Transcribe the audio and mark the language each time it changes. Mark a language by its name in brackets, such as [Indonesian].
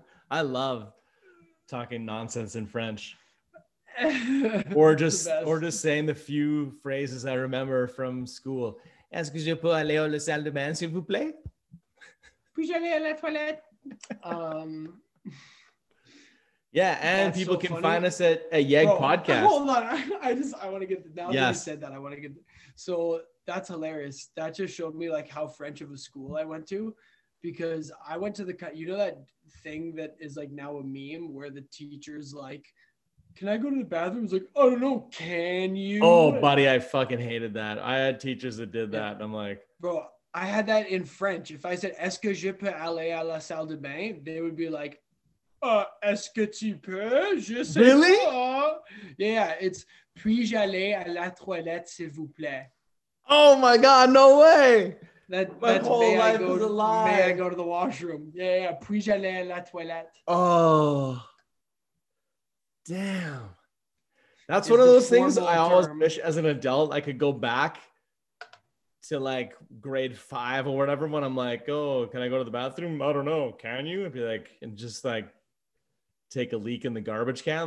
[English] I love talking nonsense in French. or just saying the few phrases I remember from school. [French] Est-ce que je peux aller au la salle de bain, s'il vous plaît? Puis-je aller à la toilette? [English] Yeah, and that's people so can funny. Find us at a Yegg podcast. Hold on. I want to get the, now yes. that you said that, I want to get the, so that's hilarious. That just showed me like how French of a school I went to, because I went to the, you know, that thing that is like now a meme where the teacher's like, can I go to the bathroom? It's like, oh, I don't know. Can you? Oh, buddy, I fucking hated that. I had teachers that did that. Yeah. And I'm like, bro, I had that in French. If I said, [French] est-ce que je peux aller à la salle de bain? [English] They would be like, [French] est-ce que tu peux? Je sais [English] really? [French] Pas. [English] Yeah, it's [French] puis-je aller à la toilette, s'il vous plaît? [English] Oh my God, no way. That's whole life is a lie. May I go to the washroom? [French] Yeah, yeah, puis-je aller à la toilette? [English] Oh, damn. That's one of those things I always wish as an adult I could go back to like grade 5 or whatever when I'm like, oh, can I go to the bathroom? I don't know. Can you? I'd be like, and just like, take a leak in the garbage can.